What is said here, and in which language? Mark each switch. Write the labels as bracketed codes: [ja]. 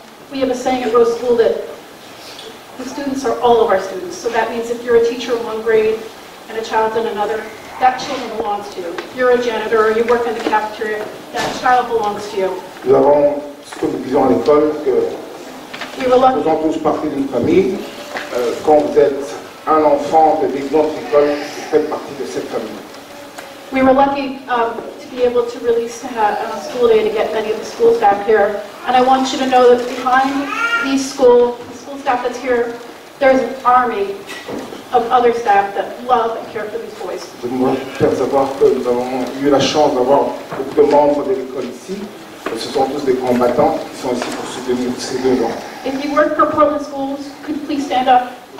[en] We have a saying at Rose School that the students are all of our students. So that means if you're a teacher in one grade and a child in another, that child belongs to you. If you're a janitor or you work in the cafeteria, that child belongs to you. [fr] Nous avons ce que nous disons à l'école que nous faisons tous partie d'une famille. Quand vous êtes un enfant de notre école, vous faites partie de cette famille. [en] We were lucky to be able to release on a school day to get many of the school staff here. And I want you to know that behind the school staff that's here, there's an army of other staff that love and care for these boys. [fr] Je voudrais faire savoir que nous avons eu la chance d'avoir beaucoup de membres de l'école ici. Ce sont tous des combattants qui sont ici pour soutenir ces deux gens. [en] If you work for Portland Schools, could you please stand up?